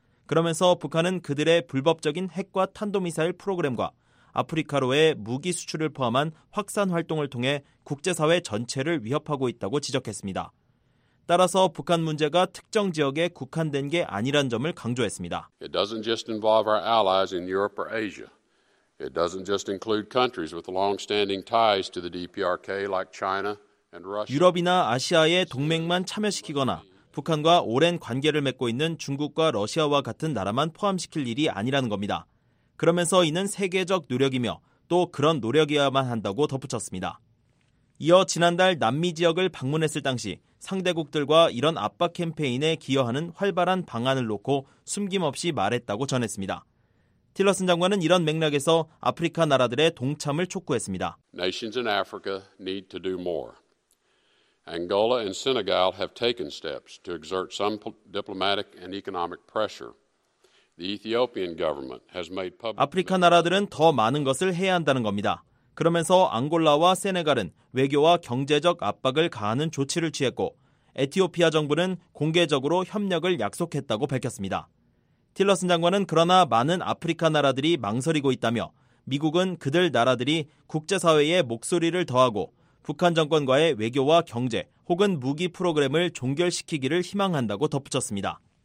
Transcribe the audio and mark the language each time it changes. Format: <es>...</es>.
<ko>그러면서 북한은 그들의 불법적인 핵과 탄도미사일 프로그램과 아프리카로의 무기 수출을 포함한 확산 활동을 통해 국제사회 전체를 위협하고 있다고 지적했습니다. 따라서 북한 문제가 특정 지역에 국한된 게 아니란 점을 강조했습니다.</ko> <en>It doesn't just involve our allies in Europe or Asia. It doesn't just include countries with long-standing ties to the DPRK like China and Russia.</en> <ko>유럽이나 아시아의 동맹만 참여시키거나 북한과 오랜 관계를 맺고 있는 중국과 러시아와 같은 나라만 포함시킬 일이 아니라는 겁니다. 그러면서 이는 세계적 노력이며 또 그런 노력이어야만 한다고 덧붙였습니다. 이어 지난달 남미 지역을 방문했을 당시 상대국들과 이런 압박 캠페인에 기여하는 활발한 방안을 놓고 숨김없이 말했다고 전했습니다. 틸러슨 장관은 이런 맥락에서 아프리카 나라들의 동참을 촉구했습니다.</ko> <en>Nations in Africa need to do more. Angola and Senegal have taken steps to exert some diplomatic and economic pressure. The Ethiopian government has made public.</en> <ko>아프리카 나라들은 더 많은 것을 해야 한다는 겁니다. 그러면서 앙골라와 세네갈은 외교와 경제적 압박을 가하는 조치를 취했고 에티오피아 정부는 공개적으로 협력을 약속했다고 밝혔습니다. 틸러슨 장관은 그러나 많은 아프리카 나라들이 망설이고 있다며 미국은 그들 나라들이 국제사회에 목소리를 더하고 북한 정권과의 외교와 경제 혹은 무기 프로그램을 종결시키기를 희망한다고 덧붙였습니다.</ko>